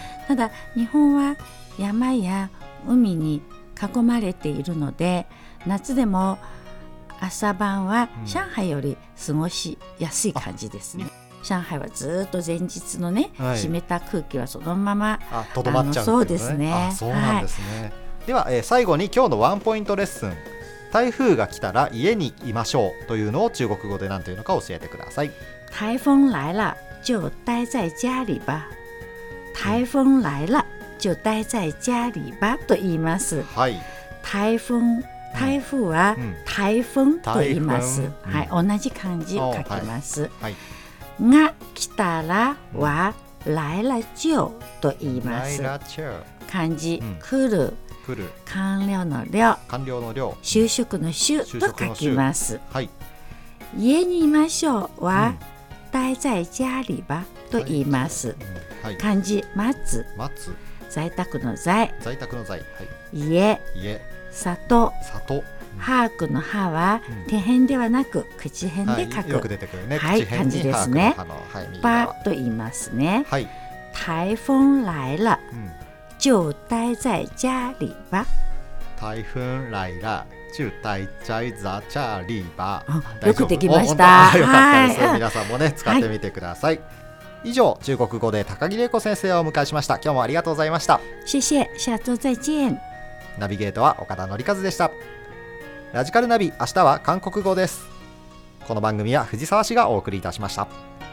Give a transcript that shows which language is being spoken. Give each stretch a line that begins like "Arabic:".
Japanese: ただ日本は山や海に囲まれているので、夏でも朝晩は上海より過ごしやすい感じですね、うん。上海はずっと前日のね、はい、湿った空気はそのままとどまっちゃうんですね。そうなんですね、はい。では、最後に今日のワンポイントレッスン、台風が来たら家にいましょうというのを中国語で何というのか教えてください。
Chinese: 台風来了就待在家里吧。台風来了就待在家里吧
Japanese: と言います、はい。台風は台風と言います、うん、はい、同じ漢字書きます、はい。が来たらは来了就と言います。漢字、来る、来る、完了の了、完了の了、就職の就と書きます、はい。家にいましょうは、
Chinese: 待在家里吧
Japanese: と言います、はい。漢字、待つ、待つ、在宅の在、在宅の在、はい。家、里、里、ハークの歯は手辺ではなく口辺で書く、よく出てくるね、はい、感じですね。バと言いますね、はい。
Chinese: 台風来了就待在家里吧。台風来了就待在家里吧。
Japanese: よくできました。はい、皆さんもね、使ってみてください。以上、中国語で高木玲子先生をお迎えしました。今日もありがとうございました。
Chinese: 谢谢、下周再见。
Japanese: ナビゲートは岡田紀一でした。ラジカルナビ、明日は韓国語です。この番組は藤沢氏がお送りいたしました。